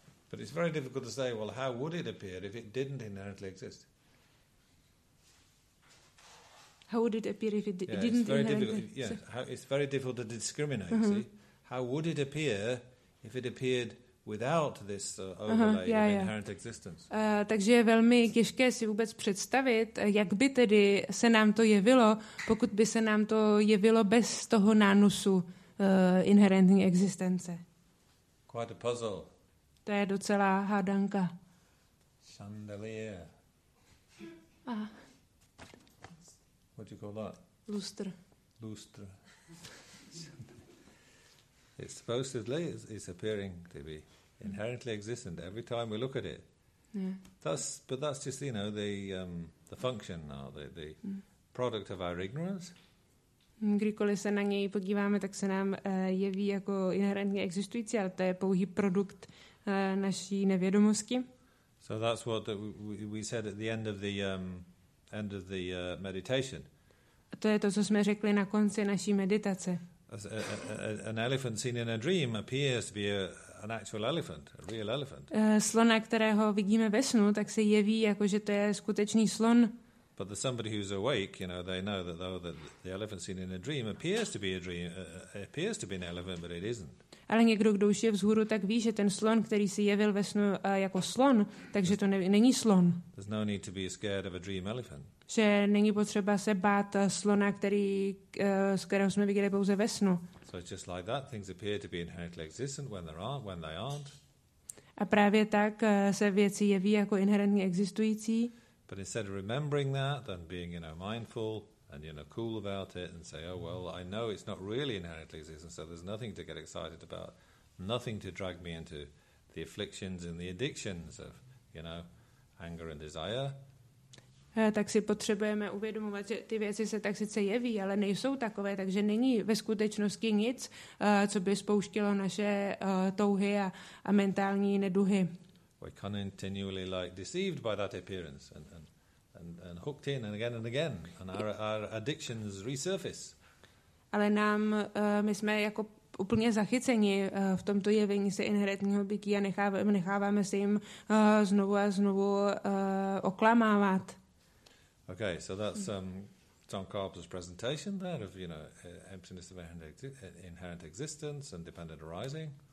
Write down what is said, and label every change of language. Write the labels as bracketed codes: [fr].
[en] But it's very difficult to say, well, how would it appear if it didn't inherently exist? How would it appear if it didn't inherently exist? Yeah, it's very difficult to discriminate, mm-hmm. See? How would it appear if it appeared without this overlay of inherent existence? [cs] Takže je velmi těžké si vůbec představit, jak by tedy se nám to jevilo, pokud by se nám to jevilo bez toho nánosu inherentní existence. [en] Quite a puzzle. [cs] To je docela hádanka. [en] Chandelier. What do you call that? [cs] Lustr. Lustr. [en] It's supposedly it's appearing to be inherently existent every time we look at it. Yeah. That's just, you know, the function or the product of our ignorance. [cs] Kdykoliv se na něj podíváme, tak se nám jeví jako inherentně existující, ale to je pouhý produkt naší nevědomosti. [en] So that's what we said at the end of the meditation. [cs] To je to, co jsme řekli na konci naší meditace. [en] An elephant seen in a dream appears to be an actual elephant, a real elephant. [cs] Slona, kterého vidíme ve snu, tak se jeví jako, že to je skutečný slon. [en] But the somebody who's awake, you know, they know that though that the elephant seen in a dream appears to be a dream, appears to be an elephant, but it isn't. [cs] Ale někdo, kdo už je vzhůru, tak ví, že ten slon, který si jevil ve snu jako slon, takže to není slon. [en] There's no need to be scared of a dream elephant. [cs] Že není potřeba se bát slona, z kterého jsme viděli pouze ve snu. [en] So it's just like that, things appear to be inherently existent when they aren't, when they aren't. [cs] A právě tak se věci jeví jako inherentně existující. [en] But instead of remembering that and being, you know, mindful and, you know, cool about it and say, oh, well, I know it's not really inherently existent, so there's nothing to get excited about, nothing to drag me into the afflictions and the addictions of, you know, anger and desire. [cs] Tak si potřebujeme uvědomovat, že ty věci se tak sice jeví, ale nejsou takové, takže není ve skutečnosti nic, co by spouštilo naše touhy a mentální neduhy. [en] We're continually like deceived by that appearance and hooked in and again and our addictions resurface. [cs] Ale nám my jsme jako úplně zachyceni v tomto jevení se inherentního bytí a necháváme se jim znovu a znovu oklamávat. [en] Okay, so that's John Carp's presentation there of, you know, emptiness of inherent existence and dependent arising.